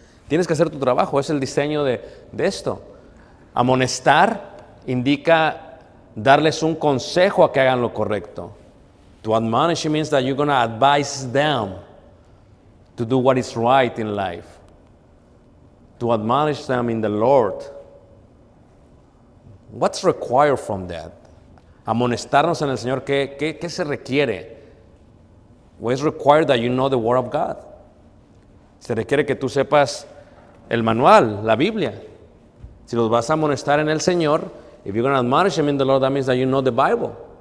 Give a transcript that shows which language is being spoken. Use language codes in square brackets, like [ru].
[es] Tienes que hacer tu trabajo, es el diseño de esto. Amonestar indica darles un consejo a que hagan lo correcto. [en] To admonish means that you're going to advise them to do what is right in life. To admonish them in the Lord. What's required from that? [es] Amonestarnos en el Señor, ¿qué se requiere? [en] What is required that you know the Word of God? [es] Se requiere que tú sepas el manual, la Biblia. Si los vas a amonestar en el Señor, [en] if you're going to admonish him in the Lord, that means that you know the Bible.